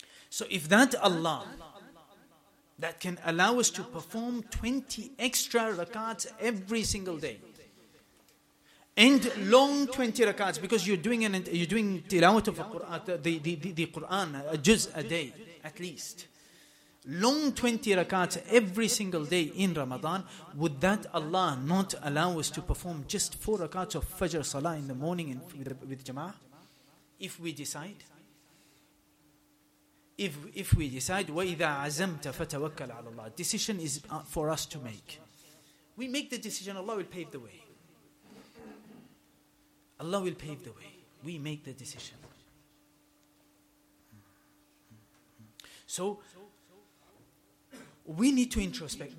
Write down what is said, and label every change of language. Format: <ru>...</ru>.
<en>So if that Allah that can allow us to perform 20 extra rakats every single day, and long 20 rakats, because you're doing tilawat of Quran, the Quran, a juz a day, at least. Long 20 rakats every single day in Ramadan, would that Allah not allow us to perform just 4 rakats of Fajr Salah in the morning and with Jama'ah? If we decide. If we decide,</en> <ar>وَإِذَا عَزَمْتَ فَتَوَكَّلْ عَلَى اللَّهِ.</ar> <en>Decision is for us to make. We make the decision, Allah will pave the way. Allah will pave the way. We make the decision. So, we need to introspect.</en>